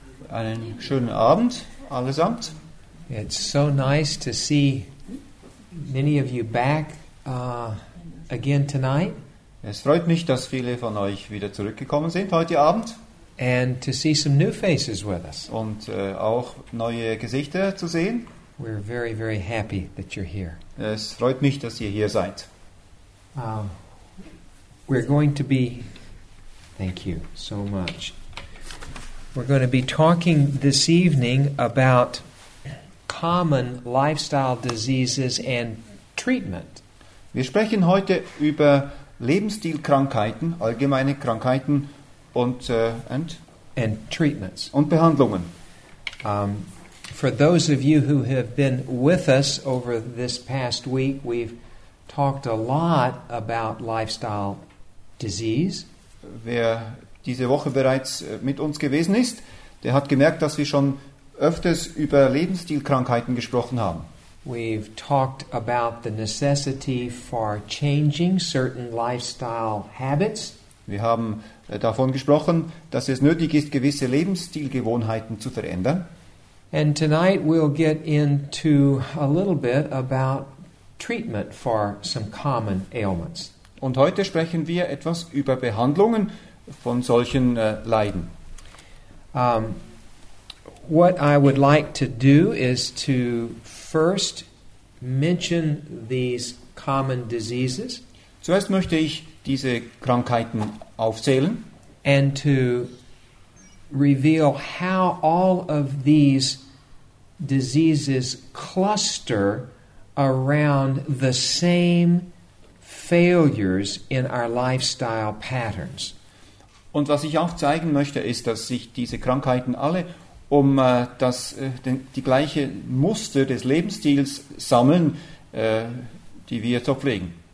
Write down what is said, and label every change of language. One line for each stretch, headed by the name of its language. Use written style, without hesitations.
German: Einen schönen Abend allesamt.
English: It's so nice to see many of you back again tonight.
German: Es freut mich, dass viele von euch wieder zurückgekommen sind heute Abend.
English: And to see some new faces with us.
German: Und auch neue Gesichter zu sehen.
English: We're very, very happy that you're here.
German: Es freut mich, dass ihr hier seid.
English: We're going to be... Thank you so much. We're going to be talking this evening about common lifestyle diseases and treatment.
German: Wir sprechen heute über Lebensstilkrankheiten, allgemeine Krankheiten
English: and treatments
German: und Behandlungen.
English: For those of you who have been with us over this past week, we've talked a lot about lifestyle disease.
German: Wer diese Woche bereits mit uns gewesen ist, der hat gemerkt, dass wir schon öfters über Lebensstilkrankheiten gesprochen haben.
English: We've talked about the necessity for changing certain lifestyle habits.
German: Wir haben davon gesprochen, dass es nötig ist, gewisse Lebensstilgewohnheiten zu verändern.
English: And tonight we'll get into a little bit about treatment for some common ailments.
German: Und heute sprechen wir etwas über Behandlungen von solchen Leiden.
English: What I would like to do is to first mention these common diseases.
German: Zuerst möchte ich diese Krankheiten aufzählen.
English: And to reveal how all of these diseases cluster around the same failures in our lifestyle patterns.
German: Und was ich auch zeigen möchte, ist, dass sich diese Krankheiten alle um die gleiche Muster des Lebensstils sammeln, die wir so pflegen.